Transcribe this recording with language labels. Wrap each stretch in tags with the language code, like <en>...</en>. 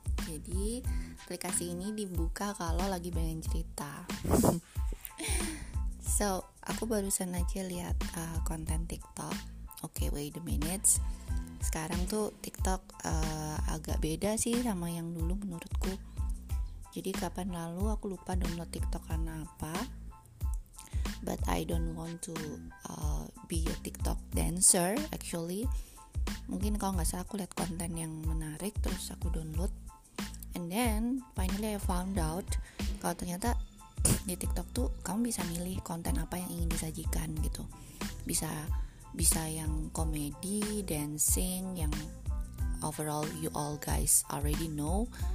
<id>Jadi aplikasi ini dibuka kalau lagi pengen cerita. So, aku barusan aja lihat konten TikTok.</id> <en>Okay, wait a minute.</en> <id>Sekarang tuh TikTok agak beda sih sama yang dulu menurutku. Jadi kapan lalu aku lupa download TikTok karena apa.</id> <en>But I don't want to be a TikTok dancer actually.</en> <id>Mungkin kalau gak salah aku lihat konten yang menarik terus aku download.</id> <en>And then finally I found out</en> <id>kalau ternyata di TikTok tuh kamu bisa milih konten apa yang ingin disajikan gitu. Bisa yang komedi,</id> <en>dancing, yang overall you all guys already know.</en>